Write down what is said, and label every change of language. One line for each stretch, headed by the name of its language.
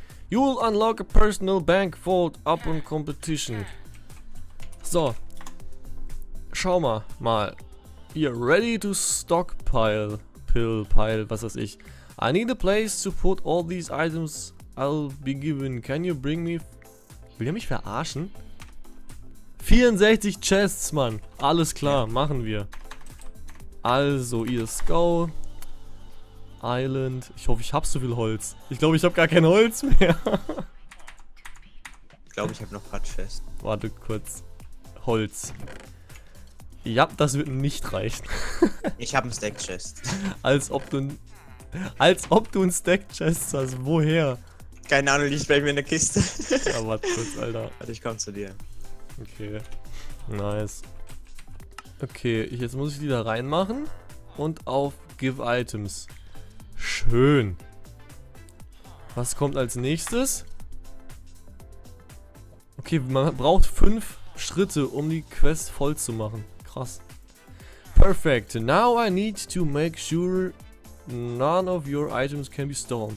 English: You'll unlock a personal bank vault upon competition. So.
German: Schau mal.
English: You're ready to stockpile. Pile,
German: was weiß ich.
English: I need a place to put all these items I'll be given. Can you bring me...
German: Will er mich verarschen? 64 Chests, Mann. Alles klar, ja. Machen wir. Also, ESGO. Island. Ich hoffe, ich habe so viel Holz. Ich glaube, ich habe gar kein Holz mehr. Ich glaube, ich habe noch ein paar Chests. Warte kurz. Holz. Ja, das wird nicht reichen. Ich habe ein Stack-Chest. Als ob du ein Stack-Chest hast. Woher? Keine Ahnung, liegt bei mir in der Kiste. Ja, warte kurz, Alter. Warte, ich komm zu dir. Okay. Nice. Okay, jetzt muss ich die da reinmachen. Und auf Give Items. Schön. Was kommt als nächstes? Okay, man braucht 5 Schritte, um die Quest voll zu machen. Krass. Perfect.
English: Now I need to make sure none of your items can be stolen.